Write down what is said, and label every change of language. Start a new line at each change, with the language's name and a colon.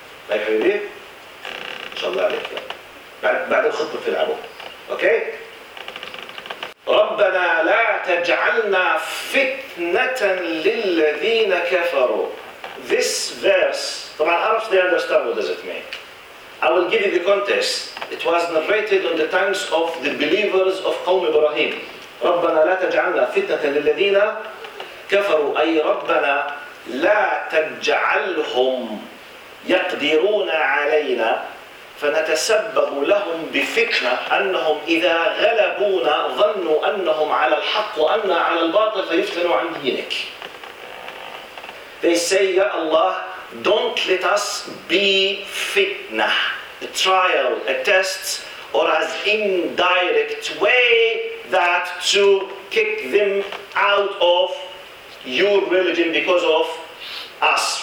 Arabic: طيب حبيبي؟ إن شاء الله عليك. بعد الخطبة تلعبوا. أوكي؟ ربنا لا تجعلنا فتنة للذين كفروا.
English: This verse,
Arabic: طبعا عرفت
English: they understand what does it mean. I will give you the context. It was narrated on the times of the believers of
Arabic: قوم إبراهيم. ربنا لا تجعلنا فتنة للذين كفروا أي ربنا لا تجعلهم يقدرون علينا فنتسبب لهم بفتنة أنهم إذا غلبونا ظنوا أنهم على الحق وأنا على الباطل فيفتنوا عن دينك.
English: They say,
Arabic: يا الله,
English: don't let us be فتنة, a trial, a test, or as indirect way that to kick them out of your religion because of us.